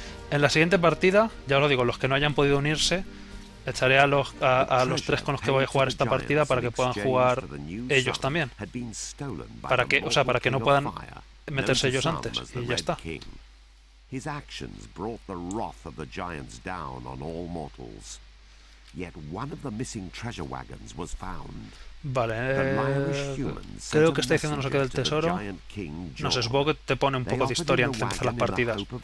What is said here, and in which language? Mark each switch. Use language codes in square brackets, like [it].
[es] En la siguiente partida, ya os lo digo, los que no hayan podido unirse, echaré a los tres con los que voy a jugar esta partida para que puedan jugar ellos también. Para que, o sea, para que no puedan meterse ellos antes, y ya está. [en] His actions brought the wrath of the giants down on all mortals. Yet one of the missing treasure wagons was found. [es] Vale, creo que está diciendo no sé qué del tesoro. No sé, supongo que te pone un poco de historia antes de empezar las partidas.